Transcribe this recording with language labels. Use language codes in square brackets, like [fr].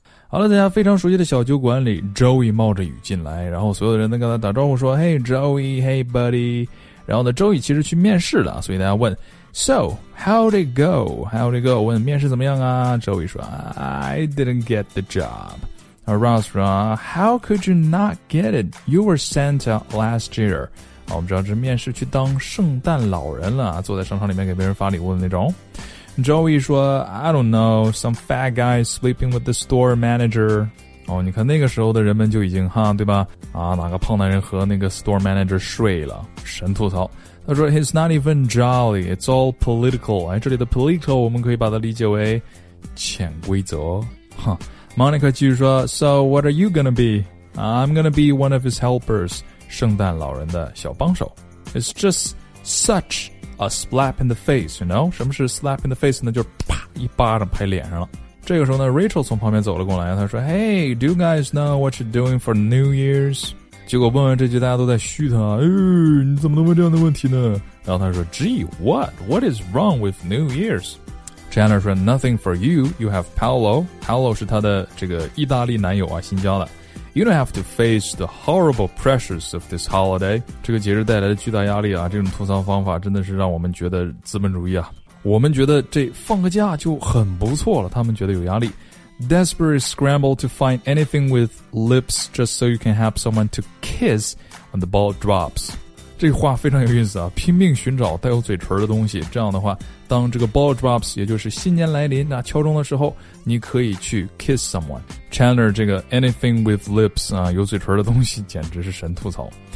[zh] 好了，大家非常熟悉的小酒馆里 ，Joey 冒着雨进来，然后所有的人都跟他打招呼说 ： [en] “Hey Joey, Hey buddy。” [zh] 然后呢 ，Joey 其实去面试了，所以大家问 ： [en] “So how'd it go? [zh] How'd it go?” 问面试怎么样啊 ？Joey 说 ： [en] “I didn't get the job.” Ross [zh] 说 [en] ：“How could you not get it? You were Santa last year.” [zh] 啊，我们知道这面试去当圣诞老人了，坐在商场里面给别人发礼物的那种。 [en] Joey [zh] 说 [en] ：“I don't know, some fat guy sleeping with the store manager.” [zh] 哦，你看那个时候的人们就已经哈，对吧？啊，哪个胖男人和那个 store manager 睡了？神吐槽。他说 ： [en] “He's not even jolly. It's all political.” [zh] 哎，这里的 political 我们可以把它理解为潜规则，哈。 [en] Monica [zh] 继续说 [en] So what are you gonna be? I'm gonna be one of his helpers [zh] 圣诞老人的小帮手 [en] It's just such a slap in the face, you know? [zh] 什么是 slap in the face 呢就是啪一巴掌拍脸上了这个时候呢 Rachel 从旁边走了过来她说 [en] Hey, do you guys know what you're doing for New Year's? [zh] 结果问完这句大家都在嘘她、哎、你怎么能问这样的问题呢然后她说 [en] Gee, what is wrong with New Year's? [zh] Chandler 说 , [en] nothing for you, you have Paolo. [zh] Paolo 是他的这个意大利男友啊新交的。 [en] You don't have to face the horrible pressures of this holiday. [zh] 这个节日带来的巨大压力啊这种吐槽方法真的是让我们觉得资本主义啊。我们觉得这放个假就很不错了他们觉得有压力。 [en] Desperate scramble to find anything with lips just so you can have someone to kiss when the ball drops. [zh] 这话非常有意思啊拼命寻找带有嘴唇的东西这样的话当这个 ball drops 也就是新年来临那敲钟的时候你可以去 [en] kiss someone [zh] Chandler 这个 [en] anything with lips [zh] 啊，有嘴唇的东西简直是神吐槽